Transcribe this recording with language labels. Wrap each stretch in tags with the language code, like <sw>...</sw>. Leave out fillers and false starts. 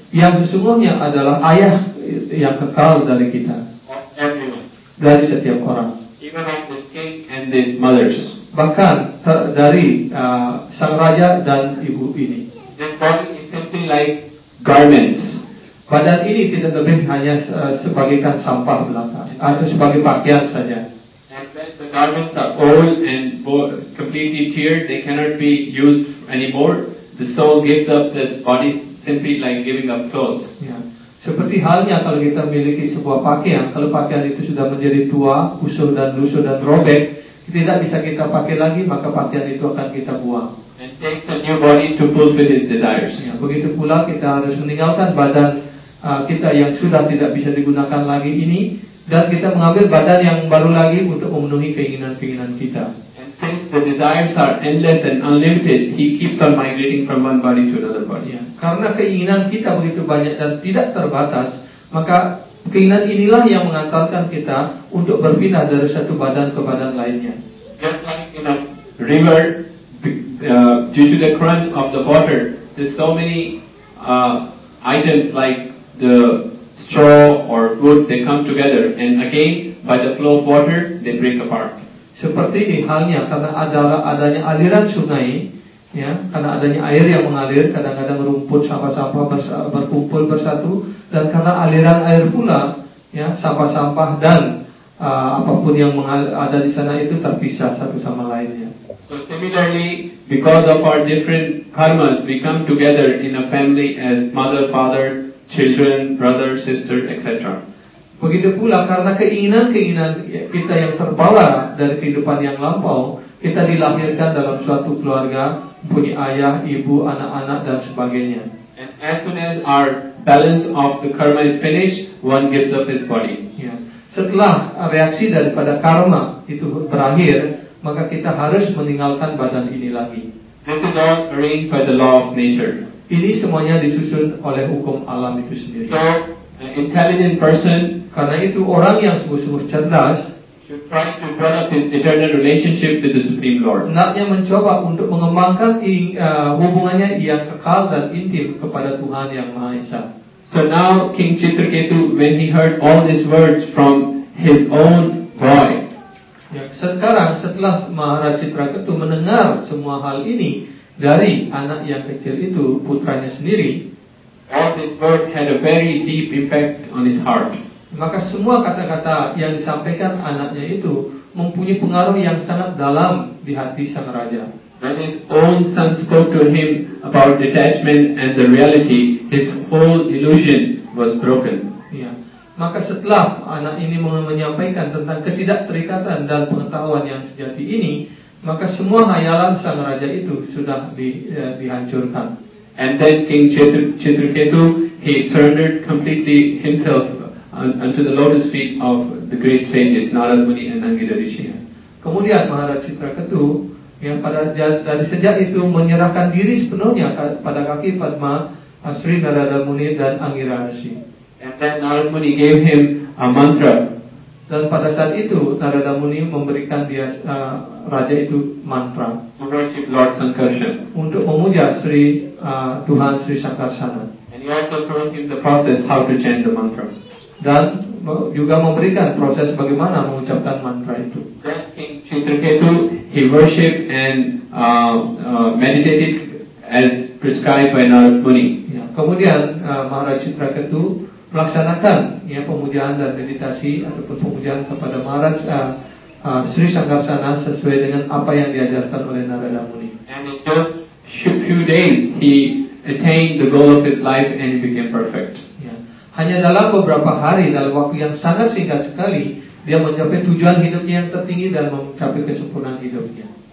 <id>Yang sesungguhnya adalah ayah yang kekal dari kita.</id> <en>Everyone.</en> <id>Dari setiap orang.</id> <en>Even of this king and these mothers.</en> <id>Bahkan dari sang raja dan ibu ini.</id> <en>This body is something like garments.</en> <id>Badan ini tidak lebih hanya sebagaikan sampah belaka atau sebagai pakaian saja.</id> <en>And when the garments are old and completely teared, they cannot be used anymore. The soul gives up this body simply like giving up clothes.</en> <id>Ya. Seperti halnya kalau kita memiliki sebuah pakaian, kalau pakaian itu sudah menjadi tua, usul dan lusuh dan robek, tidak bisa kita pakai lagi, maka pakaian itu akan kita buang.</id> <en>And takes a new body to fulfill his desires.</en> <id>Ya, begitu pula kita harus meninggalkan badan kita yang sudah tidak bisa digunakan lagi ini, dan kita mengambil badan yang baru lagi untuk memenuhi keinginan-keinginan kita.</id> <en>And since the desires are endless and unlimited, he keeps on migrating from one body to another body.</en> <id>Ya, karena keinginan kita begitu banyak dan tidak terbatas, maka keinginan inilah yang mengantarkan kita untuk berpindah dari satu badan ke badan lainnya.</id> <en>Just like in a river, due to the current of the water, there's so many items like the straw or wood, they come together, and again by the flow of water they break apart.</en> <id>Seperti ini halnya karena adanya aliran sungai, ya, karena adanya air yang mengalir, kadang-kadang rumput sampah-sampah berkumpul bersatu, dan karena aliran air pula, ya, sampah-sampah dan apapun yang ada di sana itu terpisah satu sama lainnya.</id> <en>So similarly, because of our different karmas, we come together in a family as mother, father, children, brother, sister, etc.</en> <id>Begitu pula karena keinginan-keinginan kita yang terbawa dari kehidupan yang lampau, kita dilahirkan dalam suatu keluarga, punya ayah, ibu, anak-anak, dan sebagainya.</id> <en>And as soon as our balance of the karma is finished, one gives up his body.</en> <id>Ya. Setelah reaksi daripada karma itu berakhir, maka kita harus meninggalkan badan ini lagi.</id> <en>This is all arranged by the law of nature.</en> <id>Ini semuanya disusun oleh hukum alam itu sendiri.</id> <en>So, an intelligent person,</en> <id>karena itu orang yang sungguh-sungguh cerdas,</id> <en>should try to develop his eternal relationship with the Supreme Lord.</en> <id>Hendaknya mencoba untuk mengembangkan hubungannya yang kekal dan intim kepada Tuhan Yang Maha Esa.</id> <en>So now King Chitraketu, when he heard all these words from his own boy.</en> <id>Ya, sekarang setelah Maharaja Chitraketu mendengar semua hal ini dari anak yang kecil itu, putranya sendiri,</id> <en>all this word had a very deep impact on his heart.</en> <id>Maka semua kata-kata yang disampaikan anaknya itu mempunyai pengaruh yang sangat dalam di hati sang raja.</id> <en>When his own son spoke to him about detachment and the reality, his whole illusion was broken.</en> <id>Ya. Maka setelah anak ini menyampaikan tentang ketidakterikatan dan pengetahuan yang sejati ini, maka semua khayalan sang raja itu sudah dihancurkan.</id> <en>And then King Chitraketu, he surrendered completely himself unto the lotus feet of the great sages Narad Muni and Angira Rishi.</en> <id>Kemudian Maharaj Citraketu yang pada dari sejak itu menyerahkan diri sepenuhnya pada kaki Padma Sri Narada Muni dan Angira Rishi.</id> <en>And then Narad Muni gave him a mantra.</en> <id>Dan pada saat itu Narada Muni memberikan dia raja itu mantra.</id> <en>To worship Lord Sankarsana.</en> <id>Untuk memuja Sri Tuhan Sri Sankarsana.</id> <en>And he also taught him the process how to chant the mantra.</en> <id>Dan juga memberikan proses bagaimana mengucapkan mantra itu.</id> <en>Then King Chitraketu he worshipped and meditated as prescribed by Narad Muni.</en> <id>Ya. Kemudian Maharaj Chitraketu melaksanakan ya pemujaan dan meditasi ataupun pemujaan kepada Maharaj Sri Sankarsana sesuai dengan apa yang diajarkan oleh Narada Muni.</id> <en>And in just few days he attained the goal of his life and he became perfect.</en> <id>Ya. Hanya dalam beberapa hari dalam waktu yang sangat singkat sekali dia mencapai tujuan hidupnya yang tertinggi dan mencapai kesempurnaan hidupnya.</id>